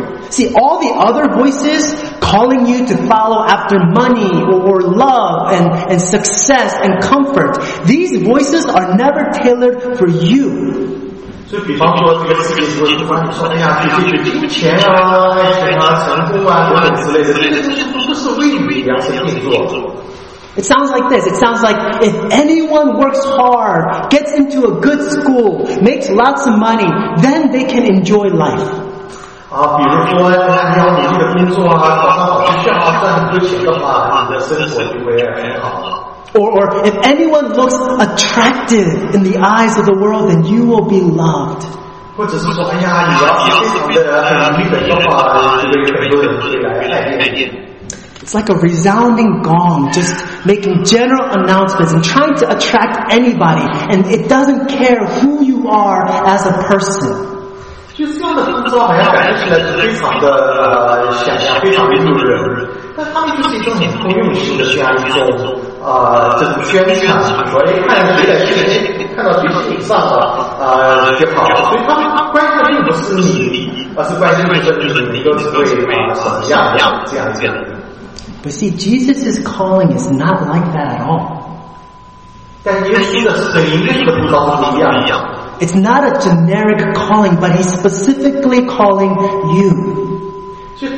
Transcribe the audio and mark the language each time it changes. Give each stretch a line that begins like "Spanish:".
English: See, all the other voices calling you to follow after money or love and success and comfort, these voices are never tailored for you.
Chinese: 所以比方说这个事情说就关于说哎呀去追求金钱啊爱情啊成功啊等等之类的，这些东西都不是为你量身定做。
English: It sounds like this. It sounds like if anyone works hard, gets into a good school, makes lots of money, then they can enjoy life.
Chinese: 啊，比如说你要努力的工作啊，考上好学校啊，赚很多钱的话，你的生活就会很好。
English: Or if anyone looks attractive in the eyes of the world, then you will be loved.
Chinese: 或者是说，哎呀，你要非常的很努力的话，就会很多人会来爱恋
English: It's like a resounding gong, just making general announcements and trying to attract anybody, and it doesn't care who you are as a person.
Chinese: 就这样的呼召，好像感觉起来是非常的响亮，非常的诱人。但他们就是一种很通用性的这样一种这种宣传，所以看谁来谁，看到谁是顶上的就好了。所以他关心的并不是你，而是关心的就是你都成为什么样这样这样。
English: But see, Jesus' calling is not like that at all. It's not a generic calling, but he's specifically calling you.